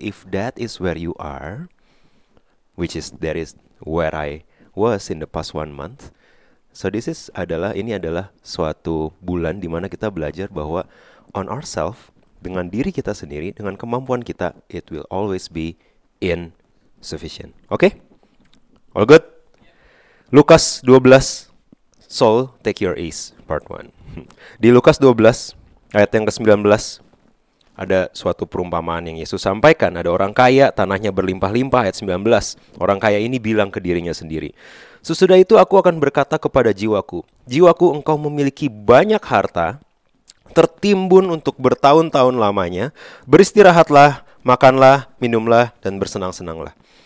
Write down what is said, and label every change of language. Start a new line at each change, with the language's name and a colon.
English: If that is where you are, which is that is where I was in the past 1 month. So this is
Indonesian: adalah ini adalah suatu bulan di mana kita belajar bahwa
English: on ourselves,
Indonesian: dengan diri kita sendiri, dengan kemampuan kita,
English: it will always be insufficient. Oke? Okay? All good? Lukas 12, Saul, take your ease, part 1.
Indonesian: Di Lukas 12, ayat yang ke-19, ada suatu perumpamaan yang Yesus sampaikan. Ada orang kaya, tanahnya berlimpah-limpah, ayat 19. Orang kaya ini bilang ke dirinya sendiri, sesudah itu aku akan berkata kepada jiwaku, jiwaku, engkau memiliki banyak harta, tertimbun untuk bertahun-tahun lamanya, beristirahatlah, makanlah, minumlah, dan bersenang-senanglah.